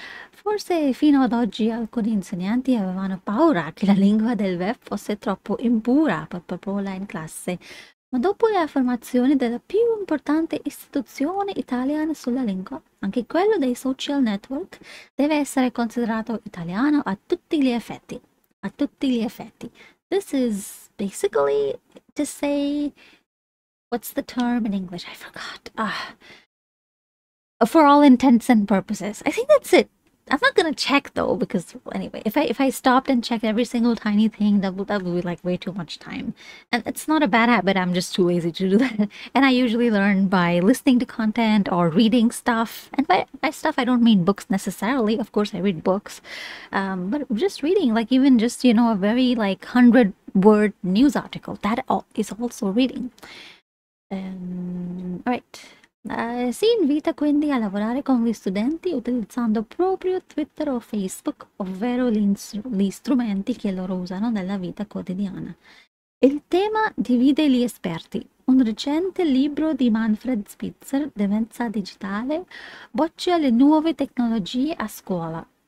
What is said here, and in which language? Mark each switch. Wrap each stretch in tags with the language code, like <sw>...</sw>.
<it>Forse fino ad oggi alcuni insegnanti avevano paura che la lingua del web fosse troppo impura per proporla in classe, ma dopo le affermazioni della più importante istituzione italiana sulla lingua, anche quello dei social network deve essere considerato italiano a tutti gli effetti. A tutti gli effetti.</it> <en>This is basically to say, what's the term in English? I forgot. For all intents and purposes. I think that's it. I'm not gonna check though, because anyway, if I stopped and checked every single tiny thing, that would be like way too much time. And it's not a bad habit, I'm just too lazy to do that. And I usually learn by listening to content or reading stuff. And by stuff, I don't mean books necessarily. Of course, I read books. But just reading, like even just, you know, a very like 100-word news article, that is also reading. All right.</en> <it>Si invita quindi a lavorare con gli studenti utilizzando proprio Twitter o Facebook, ovvero gli strumenti che loro usano nella vita quotidiana. Il tema divide gli esperti. Un recente libro di Manfred Spitzer, Demenza Digitale, boccia le nuove tecnologie a scuola.</it>